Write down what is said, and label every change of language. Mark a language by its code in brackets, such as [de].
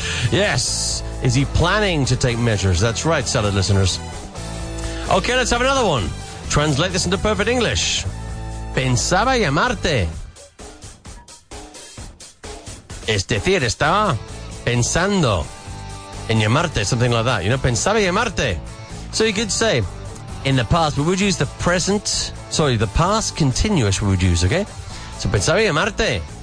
[en] Yes. Is he planning to take measures? That's right, salad listeners. Okay, let's have another one. Translate this into perfect English. [es] Pensaba llamarte. Es decir, estaba pensando en llamarte. [en] Something like that. You know, [es] pensaba llamarte. [en] So you could say, in the past, but we would use the present. Sorry, the past continuous we would use, okay? So, [es] pensaba llamarte.